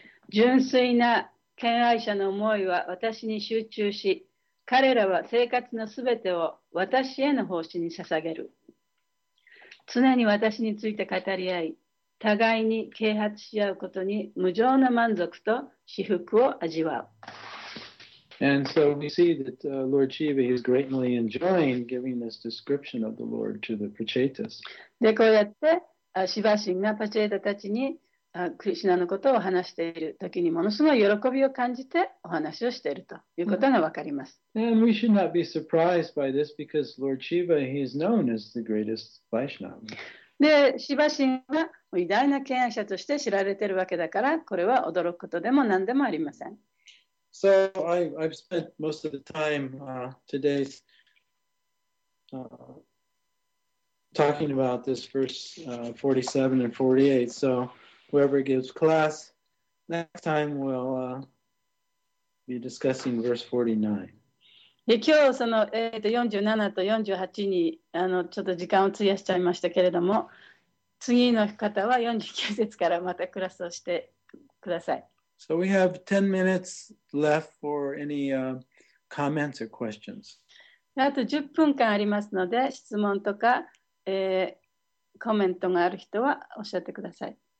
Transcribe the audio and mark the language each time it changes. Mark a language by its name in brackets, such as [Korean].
[Japanese] 純粋な敬愛者の思いは私に集中し、彼らは生活のすべてを私への奉仕に捧げる。常に私について語り合い、互いに啓発し合うことに無上の満足と至福を味わう。 [English] And so we see that Lord Shiva is greatly enjoying giving this description of the Lord to the Prachetas. [Japanese] で、こうやってシヴァ神がパチェータたちにクリシュナのことを話しているときにものすごい喜びを感じてお話をしているということがわかります。 [English] And we should not be surprised by this because Lord Shiva, he is known as the greatest Vaishnava. [Japanese] で、シヴァ神は偉大な敬愛者として知られているわけだから、これは驚くことでも何でもありません。 [English] So I've spent most of the time today talking about this verse 47 and 48. So,Whoever gives class, next time we'll be discussing verse 49. [Japanese] 今日その、47と48にちょっと時間を費やしちゃいましたけれども、次の方は49節からまたクラスをしてください。 [English] So we have 10 minutes left for any comments or questions. [Japanese] あと10分間ありますので、質問とか、コメントがある人はおっしゃってください。